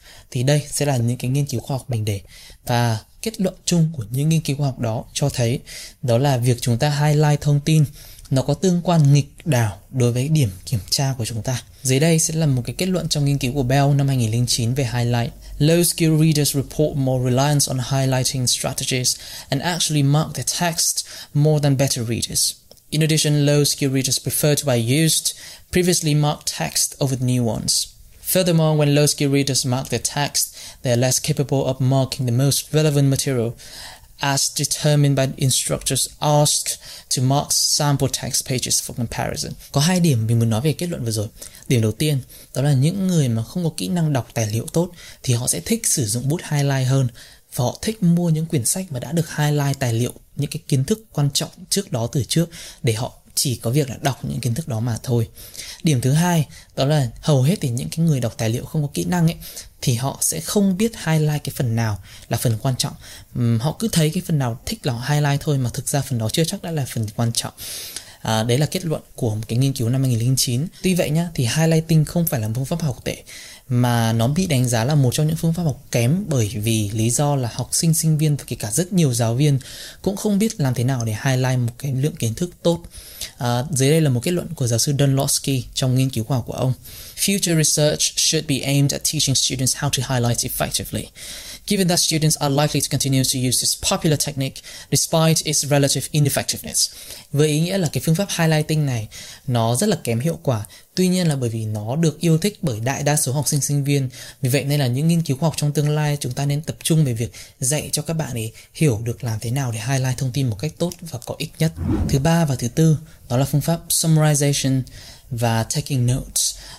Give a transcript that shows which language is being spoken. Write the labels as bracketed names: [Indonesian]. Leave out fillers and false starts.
[Vietnamese] Thì đây sẽ là những cái nghiên cứu khoa học mình để, và kết luận chung của những nghiên cứu khoa học đó cho thấy đó là việc chúng ta highlight thông tin nó có tương quan nghịch đảo đối với điểm kiểm tra của chúng ta. Dưới đây sẽ là một cái kết luận trong nghiên cứu của Bell năm 2009 về highlight. [English] Low skill readers report more reliance on highlighting strategies and actually mark their text more than better readers. In addition, low skill readers prefer to buy used, previously marked text over the new ones. Furthermore, when low skill readers mark their text, they are less capable of marking the most relevant material, as determined by instructors asked to mark sample text pages for comparison. [Vietnamese] Có hai điểm mình muốn nói về kết luận vừa rồi. Điểm đầu tiên, đó là những người mà không có kỹ năng đọc tài liệu tốt thì họ sẽ thích sử dụng bút highlight hơn, và họ thích mua những quyển sách mà đã được highlight tài liệu, những cái kiến thức quan trọng trước đó từ trước, để họ chỉ có việc là đọc những kiến thức đó mà thôi. Điểm thứ hai, đó là hầu hết thì những cái người đọc tài liệu không có kỹ năng ấy thì họ sẽ không biết highlight cái phần nào là phần quan trọng. Họ cứ thấy cái phần nào thích là highlight thôi, mà thực ra phần đó chưa chắc đã là phần quan trọng. Đấy là kết luận của một cái nghiên cứu năm 2009. Tuy vậy nhá, thì highlighting không phải là một phương pháp học tệ, mà nó bị đánh giá là một trong những phương pháp học kém, bởi vì lý do là học sinh, sinh viên và kể cả rất nhiều giáo viên cũng không biết làm thế nào để highlight một cái lượng kiến thức tốt. Dưới đây là một kết luận của giáo sư Dunlosky trong nghiên cứu khoa học của ông. [English] Future research should be aimed at teaching students how to highlight effectively, given that students are likely to continue to use this popular technique despite its relative ineffectiveness. [Vietnamese] Với ý nghĩa là cái phương pháp highlighting này nó rất là kém hiệu quả, tuy nhiên là bởi vì nó được yêu thích bởi đại đa số học sinh, sinh viên, vì vậy nên là những nghiên cứu khoa học trong tương lai chúng ta nên tập trung về việc dạy cho các bạn ấy hiểu được làm thế nào để highlight thông tin một cách tốt và có ích nhất. Thứ ba và thứ tư, đó là phương pháp summarization và taking notes.